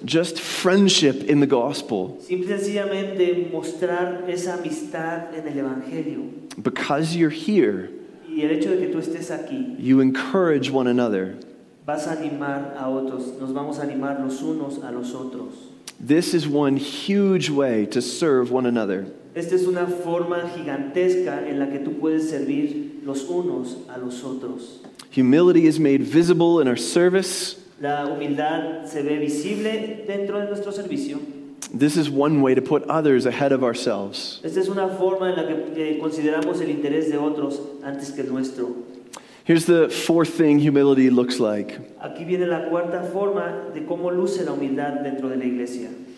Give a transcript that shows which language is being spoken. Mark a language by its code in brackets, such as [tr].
[en] Just friendship in the gospel. [es] Simple y sencillamente mostrar esa amistad en el evangelio. [en] Because you're here. [es] Y el hecho de que tú estés aquí, [en] you encourage one another. [es] Vas a animar a otros. Nos vamos a animar los unos a los otros. [en] This is one huge way to serve one another. [es] Esta es una forma gigantesca en la que tú puedes servir los unos a los otros. [en] Humility is made visible in our service. [es] La humildad se ve visible dentro de nuestro servicio. [en] This is one way to put others ahead of ourselves. [es] Esta es una forma en la que consideramos el interés de otros antes que el nuestro. [en] Here's the fourth thing humility looks like. [es] Aquí viene la cuarta forma de cómo luce la humildad dentro de la iglesia.